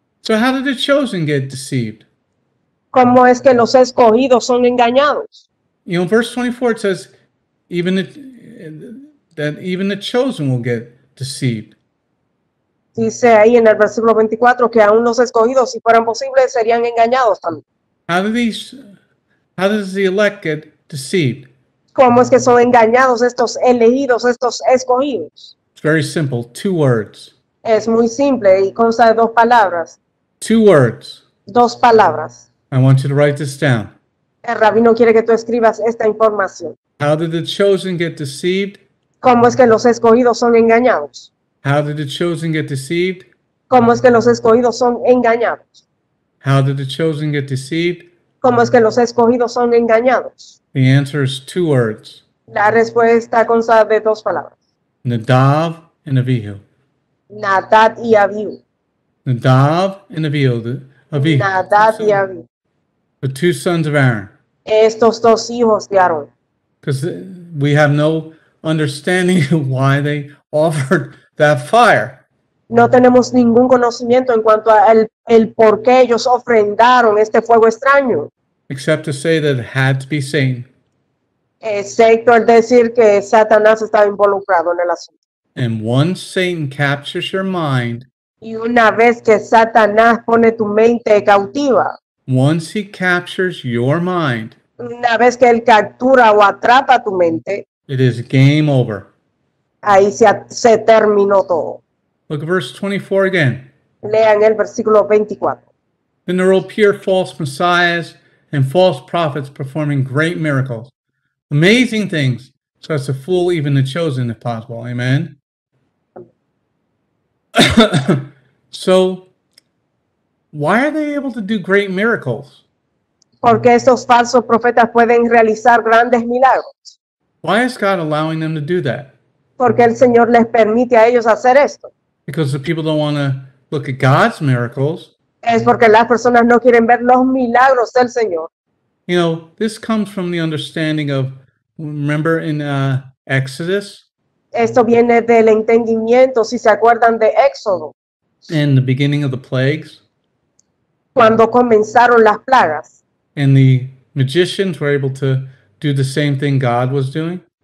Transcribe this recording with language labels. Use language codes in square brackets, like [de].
[en] So how did the chosen get deceived? [es] ¿Cómo es que los escogidos son engañados? [en] You know, verse 24, it says even the chosen will get deceived. [es] Dice ahí en el versículo 24 que aún los escogidos, si fueran posibles, serían engañados también. [en] How does the elect get deceived? [es] ¿Cómo es que son engañados estos elegidos, estos escogidos? [en] It's very simple. Two words. [es] Es muy simple y consta de dos palabras. [en] Two words. [es] Dos palabras. [en] I want you to write this down. [es] El rabino quiere que tú escribas esta información. [en] How did the chosen get deceived? [es] ¿Cómo es que los escogidos son engañados? [en] How did the chosen get deceived? [es] ¿Cómo es que los escogidos son engañados? [en] How did the chosen get deceived? [es] ¿Cómo es que los escogidos son engañados? [en] The answer is two words. [es] La respuesta consta de dos palabras. [en] Nadab and Abihu. [es] Nadab y Abihu. [en] Nadab and Abihu. [es] Nadab y Abihu. [en] The two sons of Aaron. [es] Estos dos hijos de Aarón. [en] Because we have no understanding why they offered that fire. [es] No tenemos ningún conocimiento en cuanto a el por qué ellos ofrendaron este fuego extraño. [en] Except to say that it had to be Satan. [es] Excepto el decir que Satanás estaba involucrado en el asunto. [en] And once Satan captures your mind. [es] Y una vez que Satanás pone tu mente cautiva. [en] Once he captures your mind. [es] Una vez que él captura o atrapa tu mente. [en] It is game over. [es] Ahí se terminó todo. [en] Look at verse 24 again. [es] Lean el versículo 24. [en] Then there will appear false messiahs and false prophets performing great miracles, amazing things, so as to fool even the chosen, if possible. Amen? So, why are they able to do great miracles? [es] Porque estos falsos profetas pueden realizar grandes milagros. [en] Why is God allowing them to do that? [es] Porque el Señor les permite a ellos hacer esto. [en] Because the people don't want to look at God's miracles. [es] Es porque las personas no quieren ver los milagros del Señor. [en] You know, this comes from the understanding of, remember in Exodus? [es] Esto viene del entendimiento, si se acuerdan de Éxodo. [en] And the beginning of the plagues. [es] cuando comenzaron las plagas. [en] And the magicians were able to do the same thing God was doing.